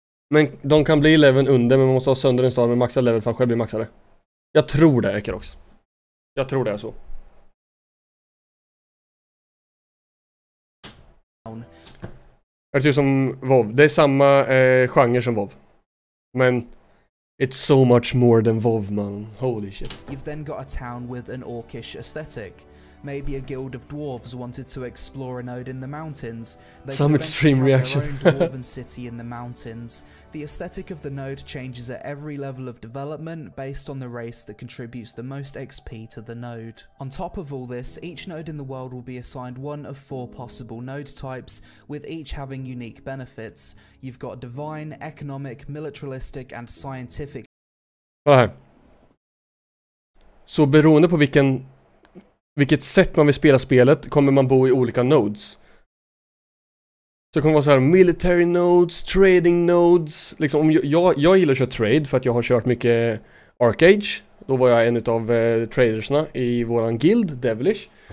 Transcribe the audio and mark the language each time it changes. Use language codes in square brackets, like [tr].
[sv] Men de kan bli level under, men man måste ha sönder en stad med maxa level för att själv bli maxade. Jag tror det, Ekerox. Jag tror det är så. Är det typ som WoW? Det är samma genre som WoW. Men... [en] It's so much more than WoW, man. Holy shit. You've then got a town with an orcish aesthetic. Maybe a guild of dwarves wanted to explore a node in the mountains. They some extreme reaction. Their own dwarven city in the mountains. The aesthetic of the node changes at every level of development based on the race that contributes the most XP to the node. On top of all this, each node in the world will be assigned one of four possible node types, with each having unique benefits. You've got divine, economic, militaristic, and scientific. [sv] Så beroende på vilken vilket sätt man vill spela spelet, kommer man bo i olika nodes. Så det kommer vara så här military nodes, trading nodes. Liksom, om jag gillar att köra trade för att jag har kört mycket Arcage. Då var jag en av tradersna i våran guild, Devilish.